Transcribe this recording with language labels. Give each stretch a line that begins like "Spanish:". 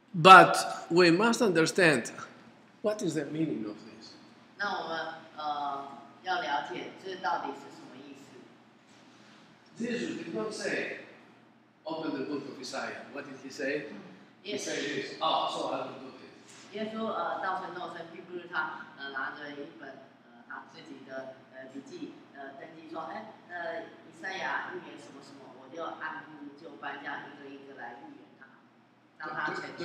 English: But we must understand what is the meaning of this.
Chinese: 那我们要了解这到底是。
English: Jesus did not say, open the book of Isaiah. What did he say? He said this, oh, so I will do this.
Chinese: 耶稣道成肉身，并不是他拿着一本他自己的笔记登记说，哎，以赛亚预言什么什么，我就按部就班这样一个一个来预言他，让他成就。